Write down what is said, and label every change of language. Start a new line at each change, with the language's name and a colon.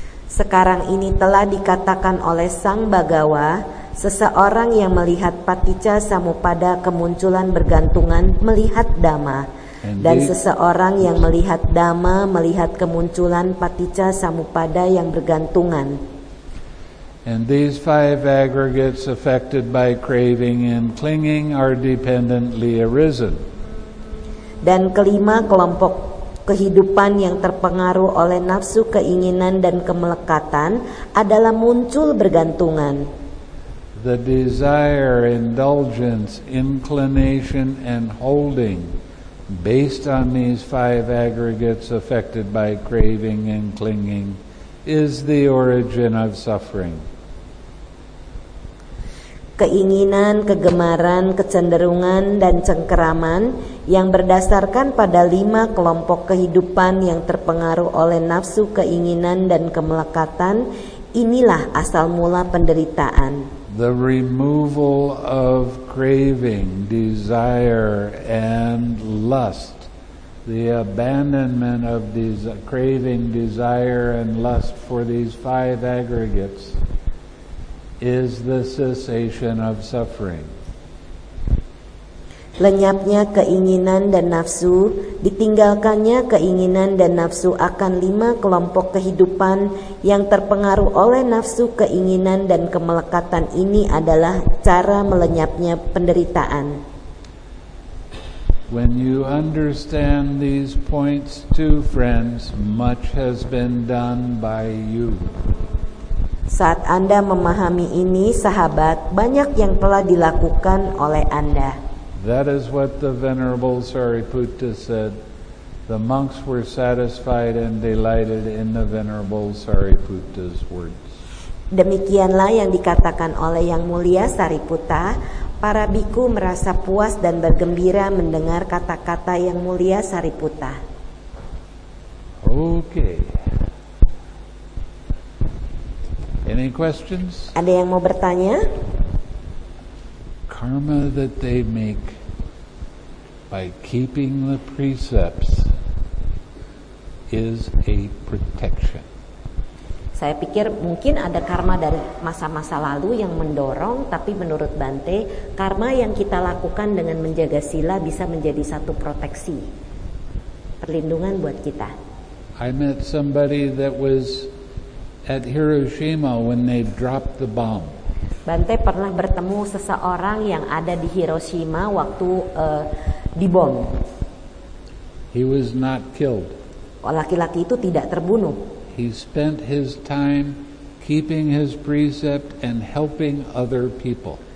Indonesian: Sekarang ini telah dikatakan oleh Sang Bhagawa, seseorang yang melihat paticca samuppada kemunculan bergantungan melihat Dhamma. Dan seseorang yang melihat Dhamma melihat kemunculan paticca samuppada yang bergantungan.
English: And these five aggregates affected by craving and clinging are dependently arisen.
Indonesian: Dan kelima kelompok kehidupan yang terpengaruh oleh nafsu keinginan dan kemelekatan adalah muncul bergantungan.
English: The desire, indulgence, inclination, and holding based on these five aggregates affected by craving and clinging is the origin of suffering.
Indonesian: Keinginan, kegemaran, kecenderungan, dan cengkeraman yang berdasarkan pada lima kelompok kehidupan yang terpengaruh oleh nafsu keinginan dan kemelekatan, inilah asal mula penderitaan.
English: The removal of craving, desire, and lust. The abandonment of craving, desire, and lust for these five aggregates is the cessation of suffering.
Indonesian: Lenyapnya keinginan dan nafsu, ditinggalkannya keinginan dan nafsu akan lima kelompok kehidupan yang terpengaruh oleh nafsu keinginan dan kemelekatan ini adalah cara melenyapnya penderitaan.
English: When you understand these points too, friends, much has been done by you.
Indonesian: Saat Anda memahami ini, sahabat, banyak yang telah dilakukan oleh Anda.
English: That is what the Venerable Sariputta said. The monks were satisfied and delighted in the Venerable Sariputta's words.
Indonesian: Demikianlah yang dikatakan oleh Yang Mulia Sariputta. Para bhikkhu merasa puas dan bergembira mendengar kata-kata Yang Mulia Sariputta.
English: Okay. Any questions?
Indonesian: Ada yang mau bertanya?
English: Karma that they make by keeping the precepts is a protection.
Indonesian: Saya pikir mungkin ada karma dari masa-masa lalu yang mendorong, tapi menurut Bante, karma yang kita lakukan dengan menjaga sila bisa menjadi satu proteksi, perlindungan buat kita.
English: I met somebody that was at Hiroshima when they dropped the bomb.
Indonesian: Bante pernah bertemu seseorang yang ada di Hiroshima waktu dibom.
English: He was not killed.
Indonesian: Laki-laki itu tidak terbunuh.
English: He spent his time keeping his precept and helping other people.